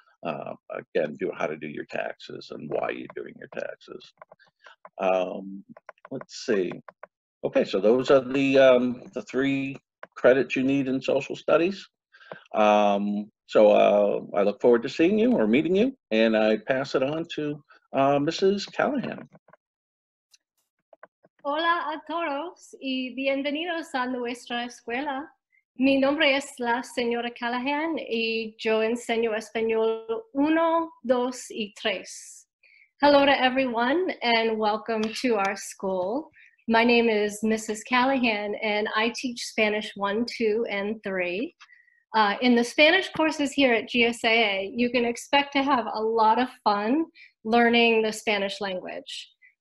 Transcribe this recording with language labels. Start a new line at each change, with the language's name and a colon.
English: Again, do how to do your taxes and why you're doing your taxes. Let's see. Okay, so those are the 3 credits you need in social studies. I look forward to seeing you or meeting you, and I pass it on to Mrs. Callahan.
Spanish: Hola a todos y bienvenidos a nuestra escuela. Mi nombre es la señora Callahan y yo enseño español 1, 2, y 3.
English: Hello to everyone and welcome to our school. My name is Mrs. Callahan, and I teach Spanish 1, 2, and 3. In the Spanish courses here at GSAA, you can expect to have a lot of fun learning the Spanish language.